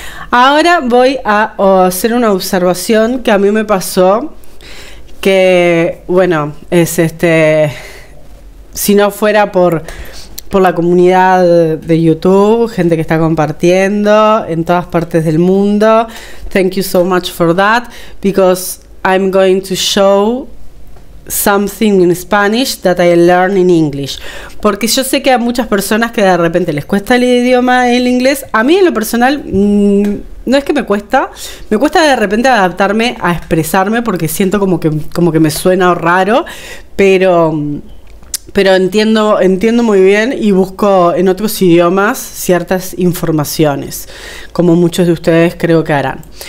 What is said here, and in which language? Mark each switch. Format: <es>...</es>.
<es>Ahora voy a hacer una observación que a mí me pasó, que bueno, es si no fuera por la comunidad de YouTube, gente que está compartiendo en todas partes del mundo.</es> <en>Thank you so much for that, because I'm going to show something in Spanish that I learn in English.</en> <es>Porque yo sé que a muchas personas que de repente les cuesta el idioma, el inglés, a mí en lo personal no es que me cuesta de repente adaptarme a expresarme porque siento como que me suena raro, pero entiendo muy bien y busco en otros idiomas ciertas informaciones, como muchos de ustedes creo que harán.</es>